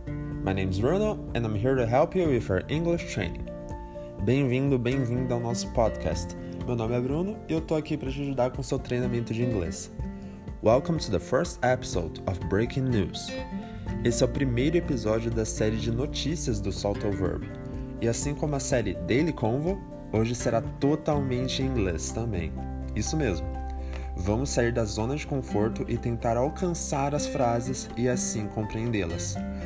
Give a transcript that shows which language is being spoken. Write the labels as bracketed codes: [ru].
[en] My name is Bruno, and I'm here to help you with your English training. [pt] Bem-vindo, bem-vinda ao nosso podcast. Meu nome é Bruno, e eu tô aqui para te ajudar com o seu treinamento de inglês. [en] Welcome to the first episode of Breaking News. [pt] Esse é o primeiro episódio da série de notícias do Salto Verb. E assim como a série Daily Convo, hoje será totalmente em inglês também. Isso mesmo. Vamos sair da zona de conforto e tentar alcançar as frases e assim compreendê-las.